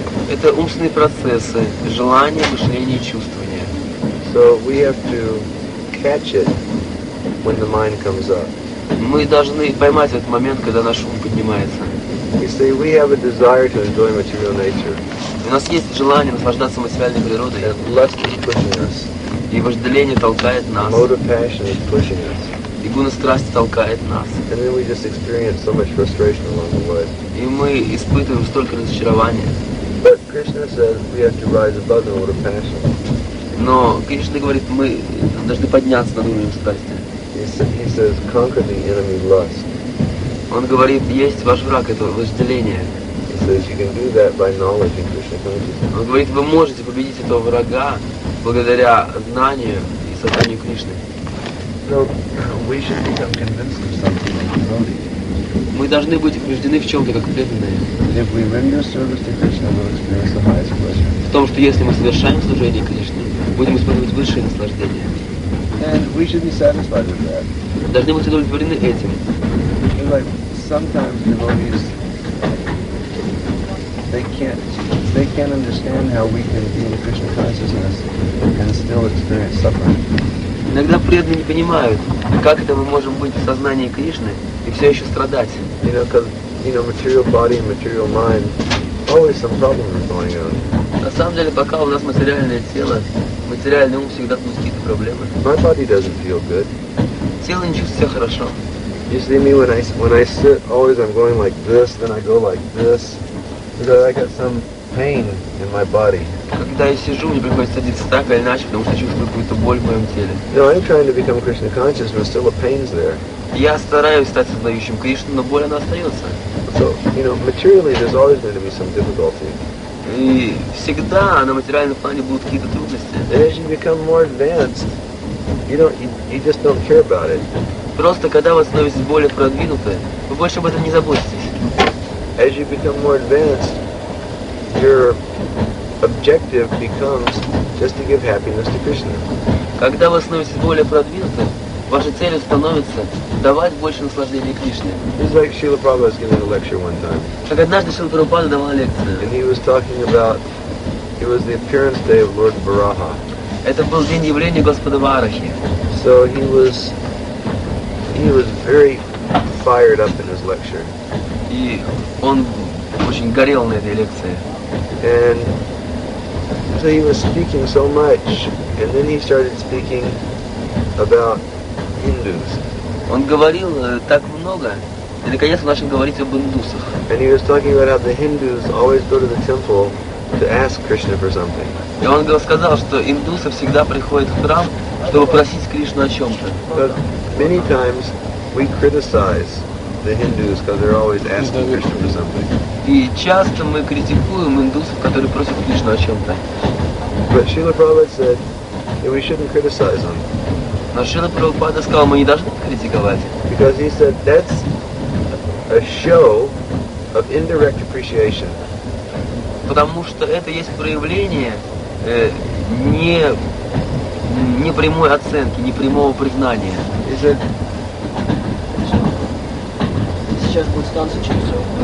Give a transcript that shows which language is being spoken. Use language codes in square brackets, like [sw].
[ru] Это умственные процессы, желание, мышление и чувствование. [en] So we have to catch it when the mind comes up. [ru] Мы должны поймать этот момент, когда наш ум поднимается. [en] You see, we have a desire to enjoy material nature. [ru] У нас есть желание наслаждаться материальной природой. [en] And lust is pushing us. [ru] И вожделение толкает нас. [en] Motor passion is pushing us. [ru] И гуна страсти толкает нас. [en] And then we just experience so much frustration along the way. [ru] И мы испытываем столько разочарования. [en] But Krishna says we have to rise above the motor passion. [ru] Но Кришна говорит, мы должны подняться над уровнем страсти. [en] He says, conquer the enemy lust. [ru] Он говорит, есть ваш враг, это вожделение. [en] He says, you can do that by knowledge in Krishna consciousness. [ru] Он говорит, вы можете победить этого врага благодаря знанию и сознанию Кришны. [en] So, we should become convinced of something like devotee. [ru] Мы должны быть убеждены в чем-то как преданные. [en] If we render service to Krishna, we'll experience the highest pleasure. [ru] В том, что если мы совершаем служение Кришне, будем испытывать высшее наслаждение. [en] And we should be satisfied with that. [ru] Должны быть удовлетворены этим. [en] Sometimes devotees, they can't understand how we can be in Krishna consciousness and still experience suffering. [ru] Иногда преданные не понимают, как это мы можем быть в сознании Кришны и все еще страдать. [en] You know, because, you know, material body and material mind, always some problems are going on. [ru] На самом деле, пока у нас материальное тело, материальный ум всегда тут какие-то проблемы. [en] My body doesn't feel good. [ru] Тело не чувствует себя хорошо. [en] You see me, when I sit, always I'm going like this, then I go like this. Because I got some pain in my body. [ru] Когда я сижу, мне приходится садиться так или иначе, потому что чувствую какую-то боль в моем теле. [en] No, I'm trying to become Krishna conscious, but still the pain's there. [ru] Я стараюсь стать сознающим Кришну, но боль она остается. [en] So, you know, materially there's always going to be some difficulty. [ru] И всегда на материальном плане будут какие-то трудности. [en] And as you become more advanced, you just don't care about it. [ru] Просто когда вы становитесь более продвинутой, вы больше об этом не заботитесь. [en] As you become more advanced, your objective becomes just to give happiness to Krishna. [ru] Когда вы становитесь более продвинутым, ваша цель становится давать больше наслаждения Кришне. [en] It's like Srila Prabhupada was giving a lecture one time. [ru] Как однажды Шрила Прабхупада давал лекцию. [en] And he was talking about, it was the appearance day of Lord Varaha. [ru] Это был день явления Господа Варахи. [en] So he was very fired up in his lecture. [ru] И он очень горел на этой лекции. [en] And so he was speaking so much, and then he started speaking about Hindus. [ru] Он говорил так много, и наконец он начал говорить об индусах. [en] And he was talking about how the Hindus always go to the temple to ask Krishna for something. [ru] И он сказал, что индусы всегда приходят в храм, чтобы просить Кришну о чем-то. [en] But many times we criticize the Hindus because they're always asking Krishna for something. [ru] И часто мы критикуем индусов, которые просят Кришну о чем-то. [en] But Srila Prabhupada said, we shouldn't criticize them. [ru] Но Шрила Прабхупада сказал, мы не должны критиковать. [en] Because he said, that's a show of indirect appreciation. [ru] Потому что это есть проявление не прямой оценки, не прямого признания. [en] He said, [ru] сейчас будет станция через все.